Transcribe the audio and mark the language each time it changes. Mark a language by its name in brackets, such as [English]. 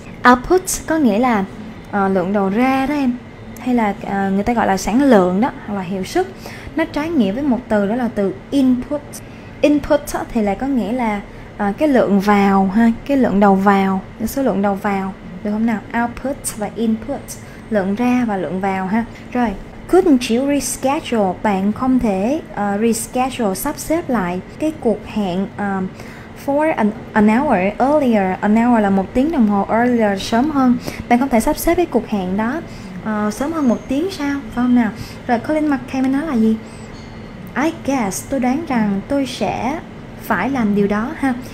[Vietnamese] Output có nghĩa là lượng đầu ra đó em, hay là người ta gọi là sản lượng đó, hoặc là hiệu suất. Nó trái nghĩa với một từ, đó là từ input. Input thì lại có nghĩa là cái lượng vào ha, cái lượng đầu vào, cái số lượng đầu vào, được không nào? Output và input, lượng ra và lượng vào ha. Rồi, [English] couldn't you reschedule? [Vietnamese] Bạn không thể reschedule, sắp xếp lại cái cuộc hẹn [English] for an hour earlier. An hour [Vietnamese] là một tiếng đồng hồ earlier, sớm hơn. Bạn không thể sắp xếp cái cuộc hẹn đó sớm hơn một tiếng sao? Phải không nào? Rồi, Colin McKay mới nói là gì? [English] I guess, [Vietnamese] tôi đoán rằng tôi sẽ phải làm điều đó ha.